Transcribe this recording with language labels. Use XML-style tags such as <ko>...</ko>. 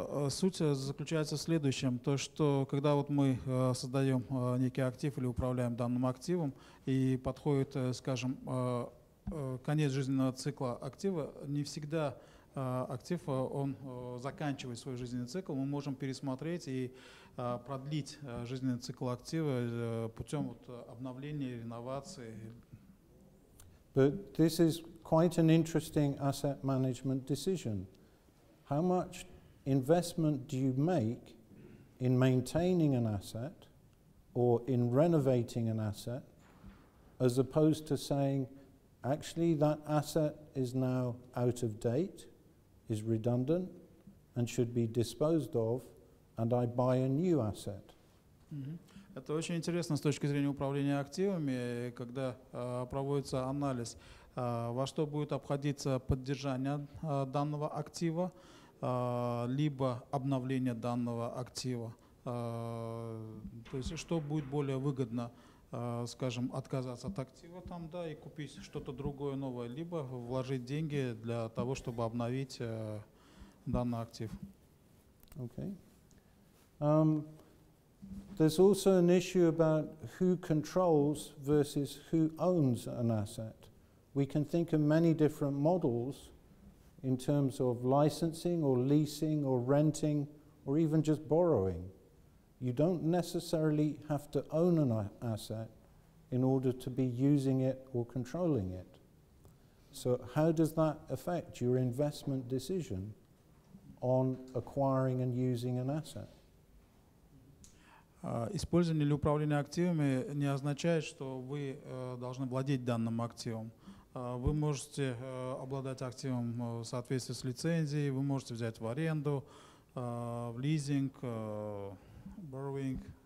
<ru>Суть заключается в следующем, то что когда вот мы создаем некий актив или управляем данным активом и подходит, скажем, конец жизненного цикла актива, не всегда актив он заканчивает свой жизненный цикл, мы можем пересмотреть и продлить жизненный цикл актива путем вот обновления, реновации.</ru> <en>But this is quite an interesting asset management decision. How much investment do you make in maintaining an asset or in renovating an asset, as opposed to saying, actually that asset is now out of date, is redundant, and should be disposed of, and I buy a new asset.</en> <ru>Это очень интересно с точки зрения управления активами, когда проводится анализ, во что будет обходиться поддержание данного актива, либо обновление данного актива. То есть что будет более выгодно, скажем, отказаться от актива там, да, и купить что-то другое новое, либо вложить деньги для того, чтобы обновить данный актив.</ru> <en>Okay. There's also an issue about who controls versus who owns an asset. We can think of many different models in terms of licensing or leasing or renting or even just borrowing. You don't necessarily have to own an asset in order to be using it or controlling it. So how does that affect your investment decision on acquiring and using an asset?</en> <ru>Использование или управление активами не означает, что вы должны владеть данным активом. Вы можете обладать активом в соответствии с лицензией, вы можете взять в аренду, в лизинг, borrowing.</ru>